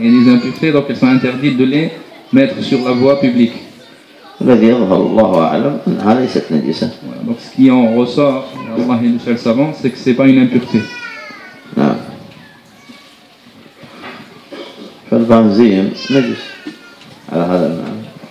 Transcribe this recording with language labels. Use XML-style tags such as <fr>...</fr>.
<fr>Et les impuretés, donc elles sont interdites de les mettre sur la voie publique.</fr> <ar>الذي يظهر الله أعلم أنها ليست نجسة.</ar> <fr>Donc ce qui en ressort, Allah est le seul savant, c'est que c'est pas une impureté.</fr> <ar>فالبنزين نجس على هذا المعنى.</ar>